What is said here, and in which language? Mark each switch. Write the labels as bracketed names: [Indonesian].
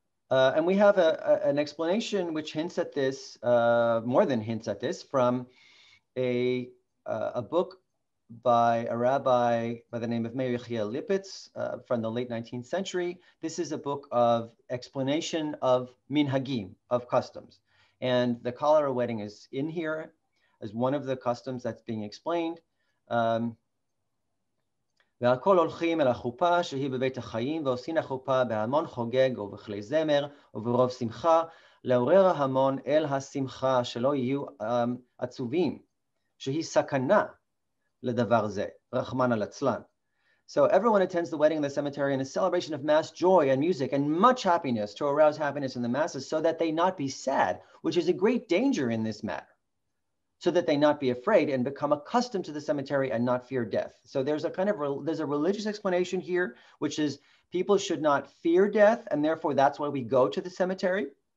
[English] And we have an explanation which hints at this, more than hints at this, from a book by a rabbi by the name of Meir Yechiel Lipitz from the late 19th century. This is a book of explanation of minhagim, of customs. And the cholera wedding is in here as one of the customs that's being explained. [Hebrew] והכל הולכים אל החופה שהיא בבית החיים ועושים החופה בהמון חוגג ובכלי זמר וברוב שמחה לעורר ההמון אל השמחה שלא יהיו עצובים שהיא סכנה לדבר זה רחמן על הצלן. [English] So everyone attends the wedding in the cemetery in a celebration of mass joy and music and much happiness to arouse happiness in the masses so that they not be sad, which is a great danger in this matter, so that they not be afraid and become accustomed to the cemetery and not fear death. So there's a kind of, there's a religious explanation here, which is people should not fear death, and therefore that's why we go to the cemetery.